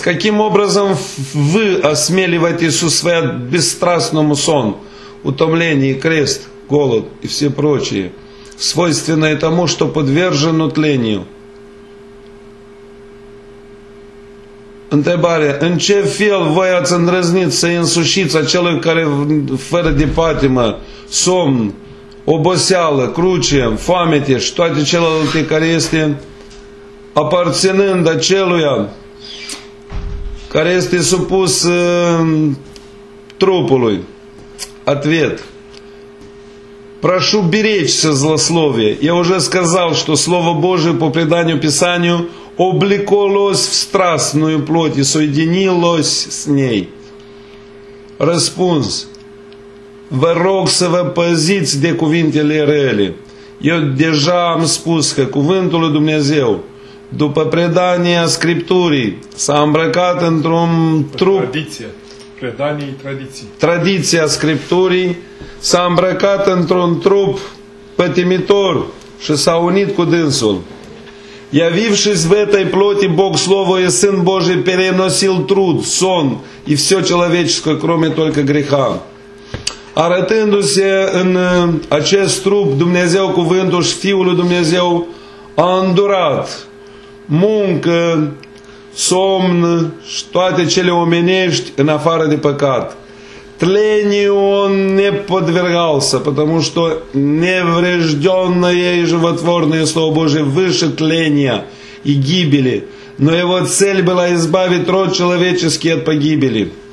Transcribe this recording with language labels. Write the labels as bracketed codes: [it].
[ru] Каким образом вы осмеливаетесь усваивать бесстрастному сон, утомление, крест, голод и все прочие, свойственное тому, что подвержено тлению? [ro] Întrebare. În ce fel voi ați îndrăznit să însușiți acelui care fără de patimă, somn, oboseală, cruce, foamete și toate celelalte care este aparținând aceluia care este supus trupului? [ru] Ответ. Прошу беречься злословия. Я уже сказал, что Слово Божие по преданию Писанию облеколось в страстную плоть и соединилось с ней. [ro] Răspuns. Vă rog să vă păziți de cuvintele rele. Eu deja am spus că cuvântul lui Dumnezeu, după predania Scripturii, s-a îmbrăcat într-un trup. Tradiție. Predanie, tradiție. Tradiția Scripturii s-a îmbrăcat într-un trup pătimitor și s-a unit cu dânsul. [ru] Явившись в этой плоти, Бог Слово и Сын Божий переносил труд, сон и все человеческое, кроме только греха. [ro] Arătându-se în acest trup, Dumnezeu cuvântul și Fiul lui Dumnezeu a îndurat muncă, somn și toate cele omenești în afară de păcat. [ru] Тлению он не подвергался, потому что неврежденное и животворное Слово Божие выше тления и гибели. Но его цель была избавить род человеческий от погибели.